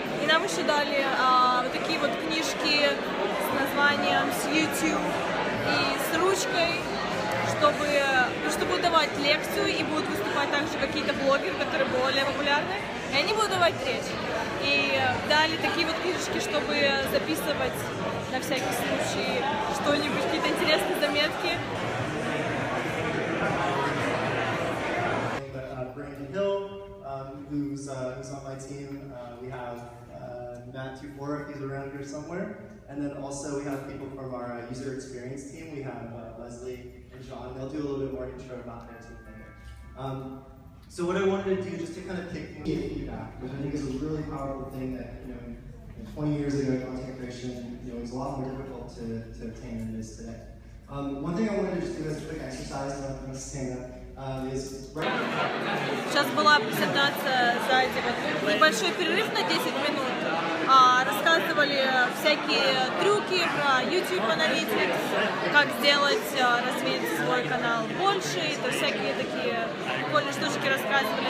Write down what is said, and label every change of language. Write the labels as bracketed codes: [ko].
[ru] И нам еще дали вот такие вот книжки с названием, с YouTube и с ручкой, чтобы, ну, чтобы давать лекцию, и будут выступать также какие-то блогеры, которые более популярны, и они будут давать речь. И дали такие вот книжки, чтобы записывать на всякий случай что-нибудь, какие-то интересные заметки. [en] Brandon Hill, who's on my team, we have Matt Tufor, if he's around here somewhere, and then also we have people from our user experience team. We have Leslie and John. They'll do a little bit more intro about their team later. So what I wanted to do, just to kind of pick your feedback, because I think it's a really powerful thing that, you know, 20 years ago, content creation, you know, was a lot more difficult to obtain than it is today. One thing I wanted to just do as a quick exercise, and I'm going to stand up, is... [ru] Сейчас была презентация сзади, небольшой перерыв на 10 минут. Рассказывали всякие трюки про YouTube Analytics, как сделать, развить свой канал больше, и то всякие такие прикольные штучки рассказывали.